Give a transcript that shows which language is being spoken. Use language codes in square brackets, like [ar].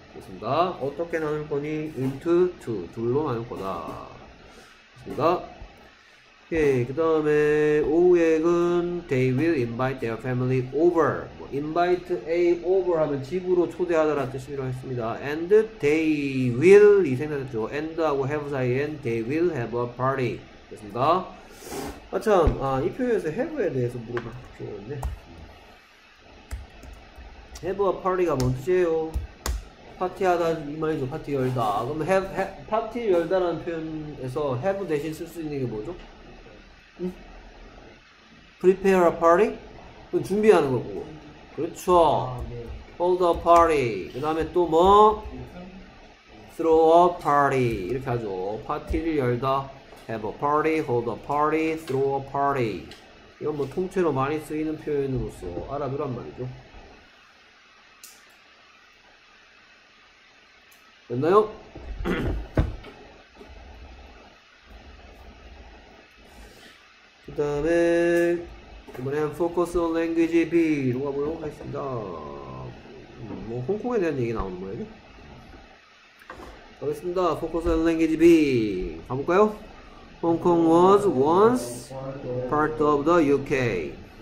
[ko] 그렇습니까? 어떻게 나눌 거니? [en] into two, [ko] 둘로 나눌 거다. 그렇습니까? 오케이. 그 다음에 오후에는 [en] they will invite their family over. [ko] 뭐, [en] invite a over [ko] 하면 집으로 초대하다라는 뜻이라고 했습니다. [en] and they will [ko] 이 생각했죠. [en] and하고 have [ko] 사이에 [en] they will have a party. [ko] 됐습니다. 아 참, 아, 이 표현에서 have에 대해서 물어볼 필요였네. have a party가 뭔 뜻이에요? 파티하다 이 말이죠. 파티 열다. 그럼 파티 열다라는 표현에서 have 대신 쓸 수 있는 게 뭐죠? 응? [en] Prepare a party? [ko] 그건 준비하는 거고. 그렇죠. 아, 네. [en] Hold a party. [ko] 그 다음에 또 뭐? [en] Throw a party. [ko] 이렇게 하죠. 파티를 열다. [en] Have a party, hold a party, throw a party. [ko] 이건 뭐 통째로 많이 쓰이는 표현으로서 알아두란 말이죠. 됐나요? 그 다음에 이번에 Focus on Language B 로 가보도록 하겠습니다. 뭐 홍콩에 대한 얘기 나오는 거예요? 가겠습니다. Focus on Language B 가볼까요? [en] Hong Kong was once part of the UK.